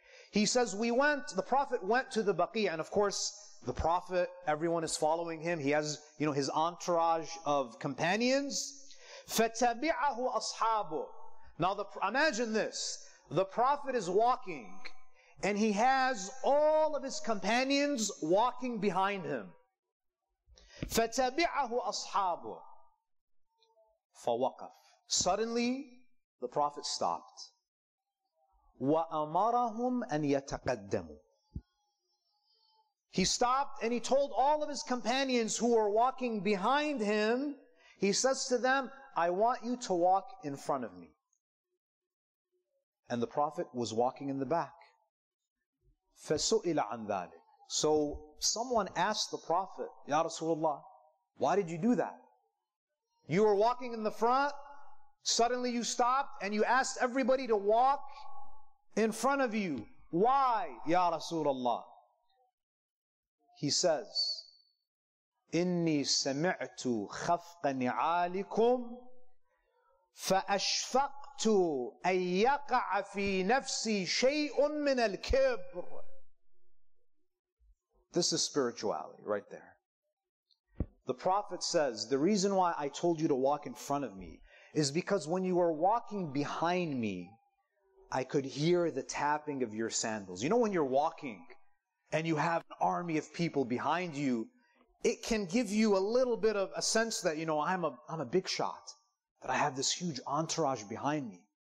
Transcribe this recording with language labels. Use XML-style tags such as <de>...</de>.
<en>He says, the Prophet went to the Baqir. And of course, the Prophet, everyone is following him. He has, you know, his entourage of companions.</en> <ar>فَتَبِعَهُ أَصْحَابُ.</ar> <en>Now imagine this. The Prophet is walking and he has all of his companions walking behind him.</en> <ar>فَتَبِعَهُ أَصْحَابُ. فَوَقَفْ.</ar> <en>Suddenly, The Prophet stopped.</en> <ar>وَأَمَرَهُمْ أَنْ يَتَقَدَّمُ</ar> <en>He stopped and he told all of his companions who were walking behind him, he says to them, I want you to walk in front of me. And the Prophet was walking in the back.</en> <ar>فَسُئِلَ عَنْ ذَلِكَ</ar> <en>So someone asked the Prophet, Ya Rasulullah, why did you do that? You were walking in the front, suddenly you stopped and you asked everybody to walk in front of you. Why, Ya Rasulullah? He says,</en> <ar>إِنِّي سَمِعْتُ خَفْقَ نِعَالِكُمْ فَأَشْفَقْتُ أَن يَقَعَ فِي نَفْسِي شَيْءٌ مِّنَ الْكِبْرِ</ar> <en>This is spirituality right there. The Prophet says, the reason why I told you to walk in front of me is because when you were walking behind me, I could hear the tapping of your sandals. You know when you're walking and you have an army of people behind you, it can give you a little bit of a sense that, you know, I'm a big shot, that I have this huge entourage behind me.</en>